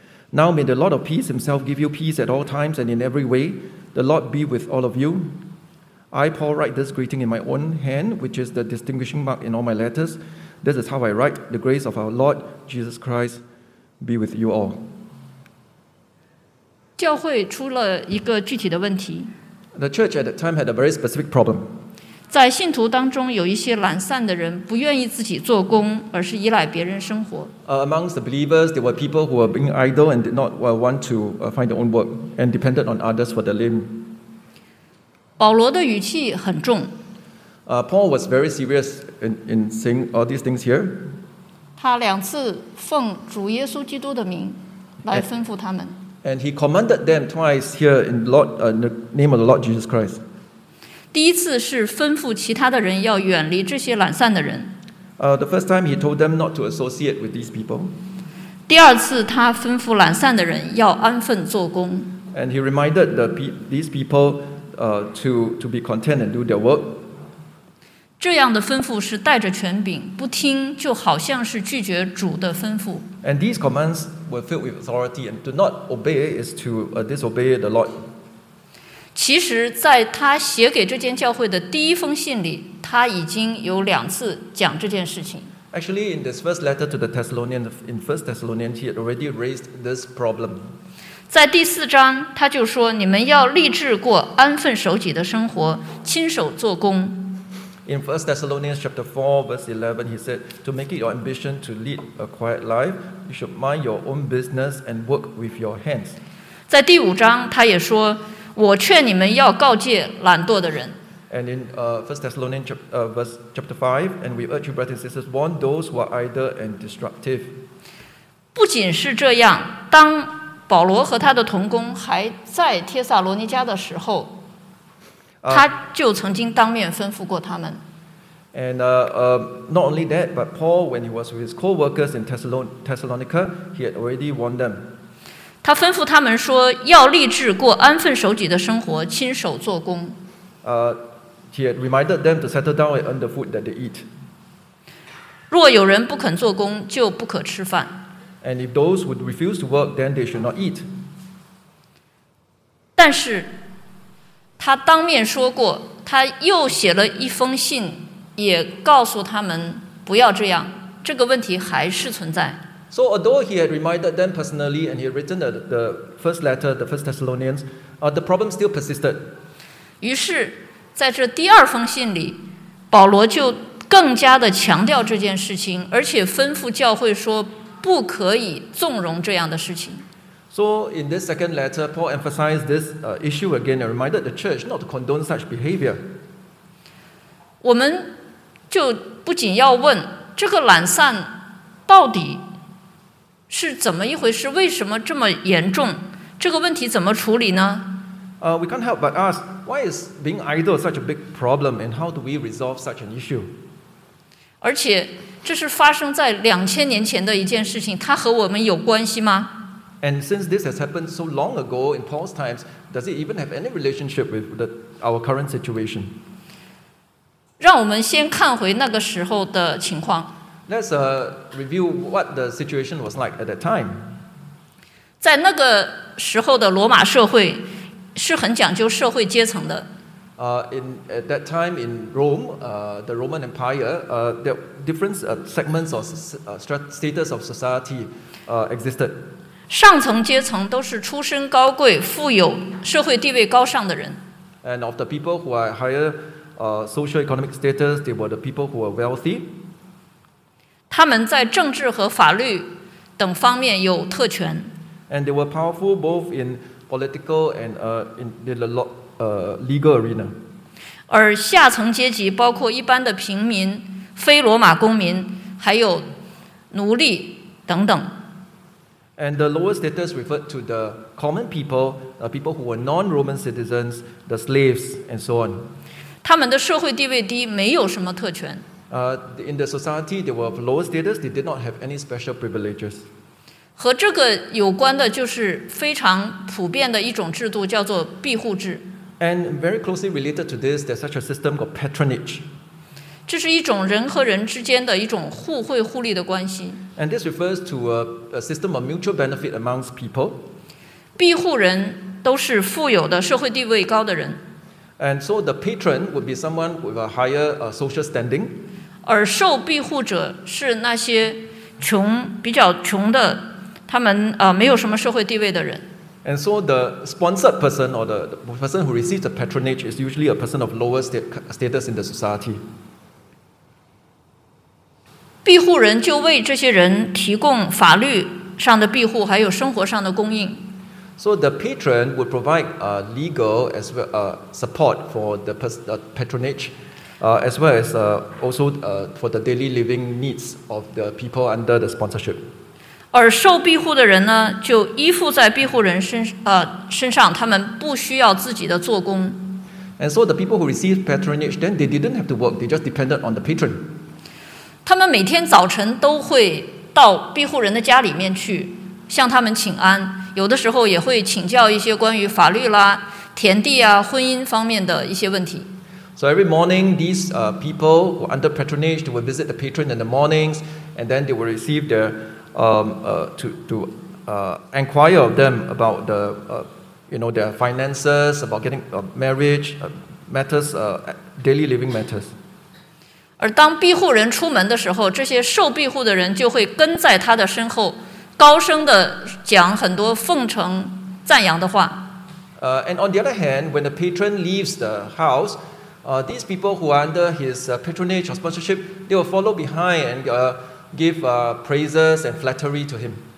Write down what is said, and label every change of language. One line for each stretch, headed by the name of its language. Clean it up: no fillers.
English: Now may the Lord of peace himself give you peace at all times and in every way. The Lord be with all of you. I, Paul, write this greeting in my own hand, which is the distinguishing mark in all my letters. This is how I write, the grace of our Lord Jesus Christ be with you all.
Chinese: 教会出了一个具体的问题。
English: The church at that time had a very specific problem.
Chinese: 在信徒当中有一些懒散的人不愿意自己做工而是依赖别人生活。
English: Amongst the believers, there were people who were being idle and did not want to find their own work and depended on others for their living.
Chinese: 保罗的语气很重。
English: Paul was very serious in saying all these things here.
Chinese: 他两次奉主耶稣基督的名来吩咐他们。
English: And he commanded them twice here in the name of the Lord Jesus Christ.
Chinese: 第一次是吩咐其他的人要远离这些懒散的人。
English: The first time he told them not to associate with these people.
Chinese: 第二次他吩咐懒散的人要安分做工。
English: And he reminded these people, to be content and do their work.
Chinese: 这样的吩咐是带着权柄，不听就好像是拒绝主的吩咐。
English: And these commands were filled with authority, and to not obey is to disobey the Lord.
Chinese: 其实，在他写给这间教会的第一封信里，他已经有两次讲这件事情。
English: Actually, in this first letter to the Thessalonians, in First Thessalonians, he had already raised this problem.
Chinese: 在第四章，他就说你们要立志过安分守己的生活，亲手做工。
English: In First Thessalonians chapter 4, verse 11, he said, "To make it your ambition to lead a quiet life, you should mind your own business and work with your hands."
Chinese: 在第五章，他也说，我劝你们要告诫懒惰的人。
English: And in First Thessalonians chapter 5, and we urge you, brothers and sisters, warn those who are idle and destructive.
Chinese: 不仅是这样，当保罗和他的同工还在帖撒罗尼迦的时候，他就曾经当面吩咐过他们。
English: And not only that, but Paul, when he was with his co-workers in Thessalonica, he had already warned them.
Chinese: 他吩咐他们说，要立志过安分守己的生活，亲手做工。
English: He had reminded them to settle down and earn the food that they eat.
Chinese: 若有人不肯做工，就不可吃饭。
English: And if those would refuse to work, then they should not eat.
Chinese: 但是他当面说过，他又写了一封信，也告诉他们不要这样，这个问题还是存在。
English: So although he had reminded them personally and he had written the first letter, the first Thessalonians, the problem still persisted.
Chinese: 于是在这第二封信里，保罗就更加的强调这件事情，而且吩咐教会说不可以纵容这样的事情。
English: So in this second letter, Paul emphasized this issue again and reminded the church not to condone such behavior.
Chinese: 我们就不仅要问这个懒散到底是怎么一回事，为什么这么严重，这个问题怎么处理呢？
English: We can't help but ask, why is being idle such a big problem and how do we resolve such an issue?
Chinese: 而且这是发生在2000年前的一件事情，它和我们有关系吗？
English: And since this has happened so long ago in Paul's times, does it even have any relationship with our current situation?
Chinese: 让我们先看回那个时候的情况。
English: Let's review what the situation was like at that time.
Chinese: 在那个时候的罗马社会是很讲究社会阶层的。
English: At that time in Rome, the Roman Empire, the different segments of status of society existed.
Chinese: 上层阶层都是出身高贵、富有、社会地位高尚的人。
English: And of the people who are higher socio-economic status, they were the people who are wealthy.
Chinese: 他们在政治和法律等方面有特权。
English: And they were powerful both in political and in the law, legal arena.
Chinese: 而下层阶级包括一般的平民、非罗马公民、还有奴隶等等。
English: And the lower status referred to the common people, people who were non-Roman citizens, the slaves, and so on.
Chinese: 他们的社会地位低，没有什么特权。
English: In the society, they were of lower status. They did not have any special privileges.
Chinese: 和这个有关的就是非常普遍的一种制度，叫做庇护制。
English: And very closely related to this, there's such a system called patronage.
Chinese: 这是一种人和人之间的一种互惠互利的关系。
English: And this refers to a system of mutual benefit amongst people.
Chinese: 庇护人都是富有的、社会地位高的人。
English: And so the patron would be someone with a higher social standing.
Chinese: 而受庇护者是那些穷、比较穷的，他们没有什么社会地位的人。
English: And so the sponsored person or the person who receives the patronage is usually a person of lower status in the society.
Chinese: 庇护人就为这些人提供法律上的庇护，还有生活上的供应。
English: So the patron would provide legal as well support for the patronage, as well as also for the daily living needs of the people under the sponsorship.
Chinese: 而受庇护的人呢，就依附在庇护人身上，他们不需要自己的做工。
English: And so the people who received patronage, then they didn't have to work, they just depended on the patron.
Chinese: 他们每天早晨都会到庇护人的家里面去向他们请安, 有的时候也会请教一些关于法律啦, 田地啊, 婚姻方面的一些问题。
English: So every morning, these people were under patronage, they would visit the patron in the mornings, and then they would receive their inquire of them about the their finances, about getting marriage, matters, daily living matters.
Chinese: 而当庇护人出门的时候，这些受庇护的人就会跟在他的身后，高声的讲很多奉承赞扬的话。
English: And on the other hand, when the patron leaves the house, these people who are under his patronage or sponsorship, they will follow behind and give praises and flattery to him.